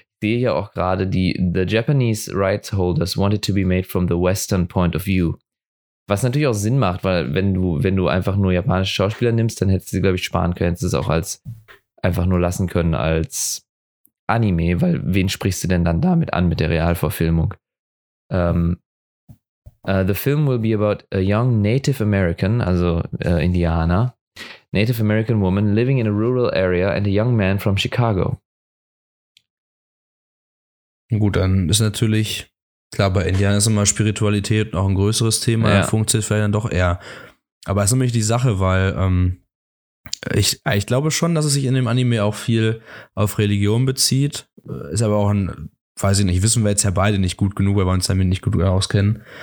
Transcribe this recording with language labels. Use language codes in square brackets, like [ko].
[de] Ich sehe ja auch gerade [en] the Japanese rights holders wanted to be made from the Western point of view. [de] Was natürlich auch Sinn macht, weil wenn du einfach nur japanische Schauspieler nimmst, dann hättest du sie, glaube ich, sparen können, hättest du es auch als einfach nur lassen können als Anime, weil wen sprichst du denn dann damit an, mit der Realverfilmung? [en] The film will be about a young Native American, [de] also Indianer, [en] Native American woman living in a rural area and a young man from Chicago. [de] Gut, dann ist natürlich, klar, bei Indianern ist immer Spiritualität auch ein größeres Thema, ja. Funktioniert vielleicht dann doch eher. Aber es ist nämlich die Sache, weil ich glaube schon, dass es sich in dem Anime auch viel auf Religion bezieht. Ist aber auch ein, weiß ich nicht, wissen wir jetzt ja beide nicht gut genug, weil wir uns damit nicht gut auskennen.